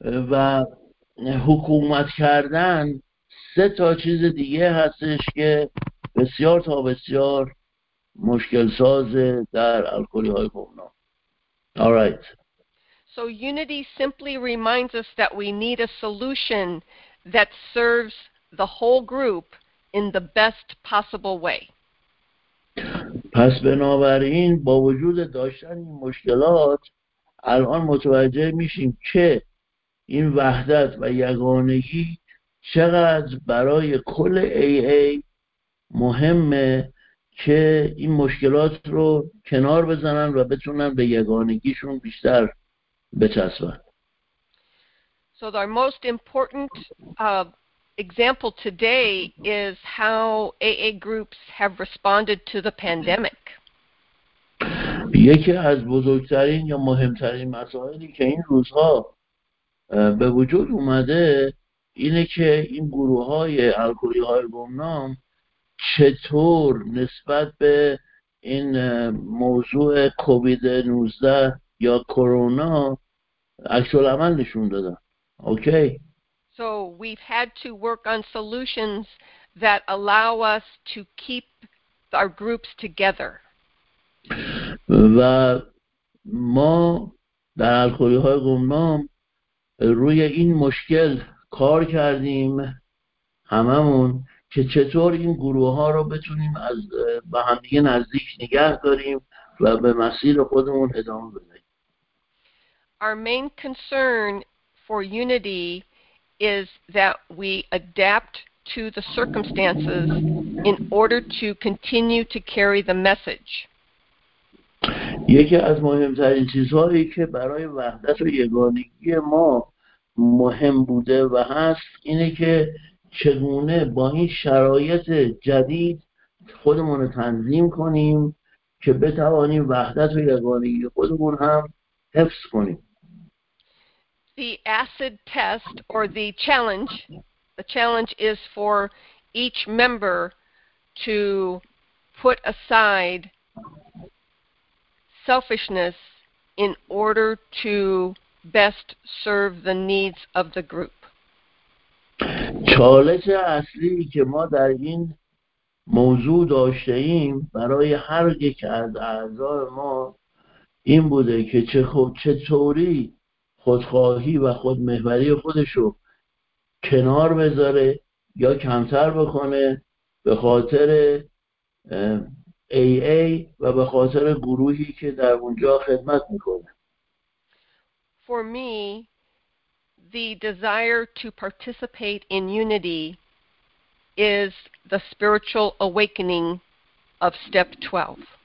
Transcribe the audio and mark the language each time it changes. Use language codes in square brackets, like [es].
[fa] و حکومت کردن 3 تا چیز دیگه هستش که بسیار تا بسیار مشکل سازه در الکلی های گمنام. [en] All right. So unity simply reminds us that we need a solution that serves the whole group in the best possible way. [fa] پس بنابراین با وجود داشتن این مشکلات الان متوجه میشیم که این وحدت و یگانگی چقدر برای کل AA مهمه که این مشکلات رو کنار بزنن و بتونن به یگانگیشون بیشتر بچسبن. [en] So our most important example today is how AA groups have responded to the pandemic. [fa] یکی از بزرگترین یا مهمترین مسائلی که این روزها به وجود اومده اینه که این گروه های الکلی های گمنام چطور نسبت به این موضوع کووید 19 یا کرونا عکس العمل نشون دادن. اوکی. [en] So we've had to work on solutions that allow us to keep our groups together. [fa] و ما در الکلی های گمنام روی این مشکل کار کردیم هممون که چطور این گروه ها رو بتونیم از به همدیگه نزدیک نگه داریم و به مسیر خودمون ادامه بدیم. [en] Our main concern for unity is that we adapt to the circumstances in order to continue to carry the message. [fa] یکی از مهمترین چیزهایی که برای وحدت و یگانگی ما مهم بوده و هست اینه که چگونه با این شرایط جدید خودمون رو تنظیم کنیم که بتوانیم وحدت و یگانگی خودمون هم حفظ کنیم. [en] The acid test or the challenge is for each member to put aside selfishness in order to best serve the needs of the group. [fa] چالش اصلی که ما در این موضوع داشته ایم برای هر یک از اعضای ما این بوده که چطوری خودخواهی و خودمحوری خودشو کنار بذاره یا کمتر بکنه به خاطر AA و به خاطر گروهی که در اونجا خدمت میکنه. [en] For me, the desire to participate in unity is the spiritual awakening of step 12.